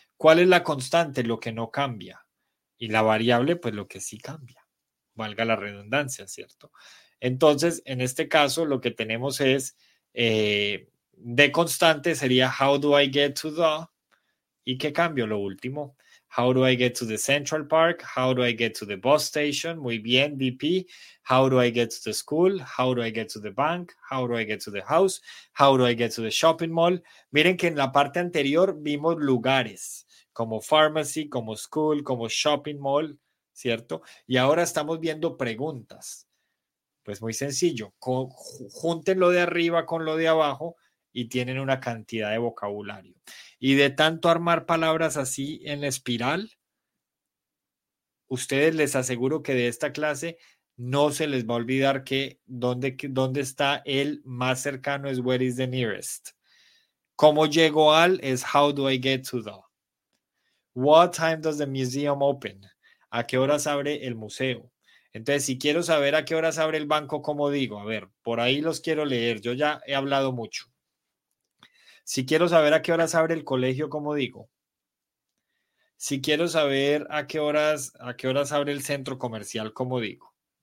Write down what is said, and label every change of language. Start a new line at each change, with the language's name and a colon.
Spanish: ¿Cuál es la constante? Lo que no cambia. Y la variable, pues lo que sí cambia, valga la redundancia, ¿cierto? Entonces, en este caso, lo que tenemos es de constante sería
English: how do I get to the,
Spanish: ¿y qué cambio? Lo último.
English: How do I get to the Central Park? How do I get to the bus station?
Spanish: Muy bien,
English: DP. How do I get to the school? How do I get to the bank? How do I get to the house? How do I get to the shopping mall?
Spanish: Miren que en la parte anterior vimos lugares, como pharmacy, como school, como shopping mall, ¿cierto? Y ahora estamos viendo preguntas. Pues muy sencillo, junten lo de arriba con lo de abajo y tienen una cantidad de vocabulario. Y de tanto armar palabras así en la espiral, ustedes les aseguro que de esta clase no se les va a olvidar que dónde está el más cercano es
English: where is the nearest.
Spanish: ¿Cómo llego al? Es
English: how do I get to the. What time does the museum open?
Spanish: ¿A qué horas abre el museo? Entonces, si quiero saber a qué horas abre el banco, ¿cómo digo? A ver, por ahí los quiero leer. Yo ya he hablado mucho. Si quiero saber a qué horas abre el colegio, ¿cómo digo? Si quiero saber a qué horas abre el centro comercial, ¿cómo digo?